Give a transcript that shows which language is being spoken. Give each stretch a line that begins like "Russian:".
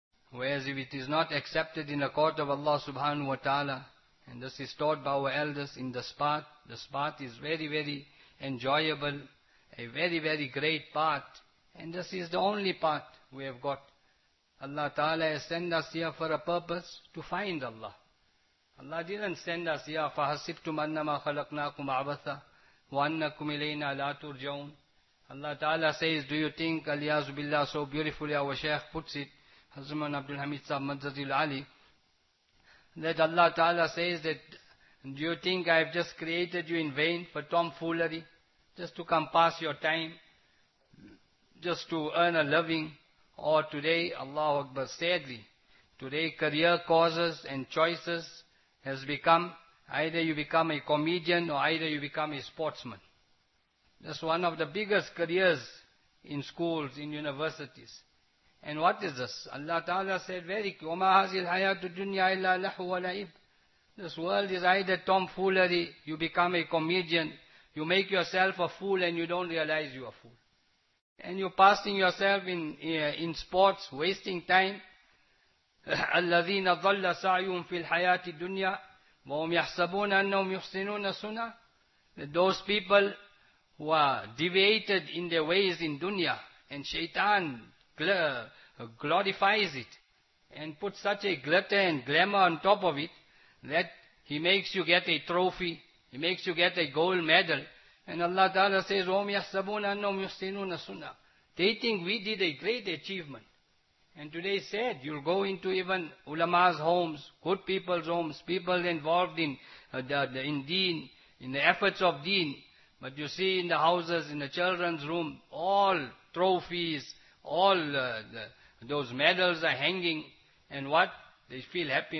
English: Whereas if it is not accepted in the court of Allah Subhanahu Wa Ta'ala, and this is taught by our elders in the spot is very, very enjoyable, a very, very great part. And this is the only part we have got. Allah Ta'ala has sent us here for a purpose, to find Allah. Allah didn't send us here,
Arabic: فَحَسِبْتُمْ أَنَّمَا خَلَقْنَاكُمْ عَبَثًا وَأَنَّكُمْ إِلَيْنَا لَا تُرْجَوْنَ.
English: Allah Ta'ala says, do you think, Aliyazu Billah, so beautifully our Shaykh puts it, Hazman Abdul Hamid Sahib Madzazil Ali, that Allah Ta'ala says that, do you think I have just created you in vain for tomfoolery, just to come pass your time, just to earn a living? Or today, Allahu Akbar, sadly, today career causes and choices has become, either you become a comedian or either you become a sportsman. That's one of the biggest careers in schools, in universities. And what is this? Allah Ta'ala said very clearly,
Arabic: وَمَا هَذِي الْحَيَاةُ الدُّنْيَا إِلَّا لَحُوَ وَلَعِبٌ.
English: This world is either tomfoolery, you become a comedian, you make yourself a fool and you don't realize you are a fool. And you're passing yourself in sports, wasting time.
Arabic: الَّذِينَ ظَلَّ سَعْيُمْ فِي الْحَيَاةِ الدُّنْيَا وَهُمْ يَحْسَبُونَ أَنَّهُمْ يُحْسِنُونَ سُنَةً.
English: Those people who are deviated in their ways in dunya, and shaitan glorifies it and puts such a glitter and glamour on top of it that he makes you get a trophy, he makes you get a gold medal. And Allah Ta'ala says,
Arabic: وَهُمْ يَحْسَبُونَ أَنَّهُمْ يُحْسِنُونَ سُنَةً.
English: They think we did a great achievement. And today said, you'll go into even ulama's homes, good people's homes, people involved in deen, in the efforts of deen. But you see in the houses, in the children's room, all trophies, all those medals are hanging. And what? They feel happy.